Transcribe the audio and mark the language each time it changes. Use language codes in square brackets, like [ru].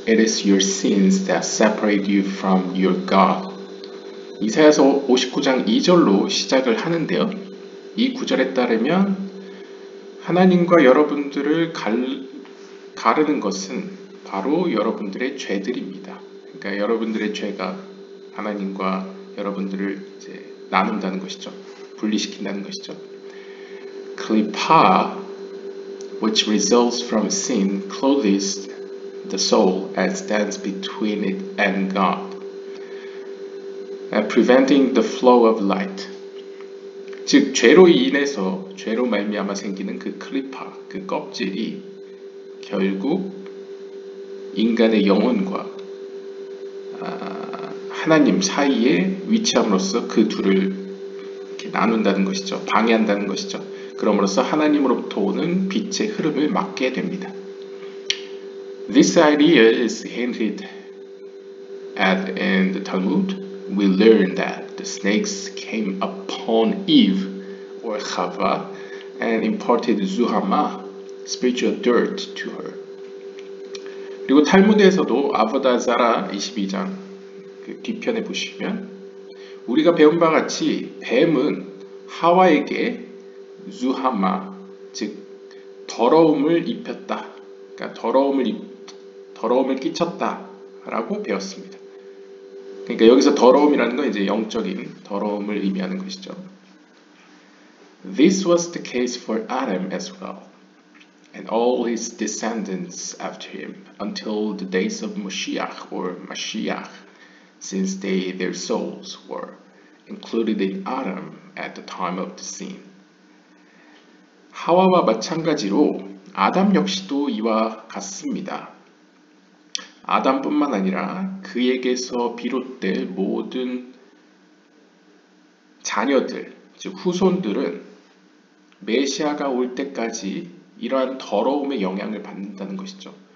[en] It is your sins that separate you from your God. [ko] 이사야서 59장 2절로 시작을 하는데요. 이 구절에 따르면 하나님과 여러분들을 가르는 것은 바로 여러분들의 죄들입니다. 그러니까 여러분들의 죄가 하나님과 여러분들을 이제 나눈다는 것이죠. 분리시킨다는 것이죠. [en] Klipa, which results from sin, clothes the soul and stands between it and God, preventing the flow of light. [ko] 즉 죄로 인해서 죄로 말미암아 생기는 그 클리파, 그 껍질이 결국 인간의 영혼과 하나님 사이에 위치함으로써 그 둘을 이렇게 나눈다는 것이죠. 방해한다는 것이죠. 그러므로써 하나님으로부터 오는 빛의 흐름을 막게 됩니다. [en] This idea is hinted at in the Talmud. We learn that the snakes came upon Eve or Chava and imparted Zuhama, spiritual dirt, to her. [ko] 그리고 탈무드에서도 아보다자라 22장 그 뒤편에 보시면 우리가 배운 바 같이 뱀은 하와에게 Zuhama, 즉 더러움을 입혔다. 그러니까 더러움을 끼쳤다라고 배웠습니다. 그러니까 여기서 더러움이라는 건 이제 영적인 더러움을 의미하는 것이죠. [en] This was the case for Adam as well, and all his descendants after him, until the days of Moshiach or Mashiach, since their souls were included in Adam at the time of the sin. [ko] 하와와 마찬가지로 아담 역시도 이와 같습니다. 아담뿐만 아니라 그에게서 비롯될 모든 자녀들, 즉 후손들은 메시아가 올 때까지 이러한 더러움의 영향을 받는다는 것이죠.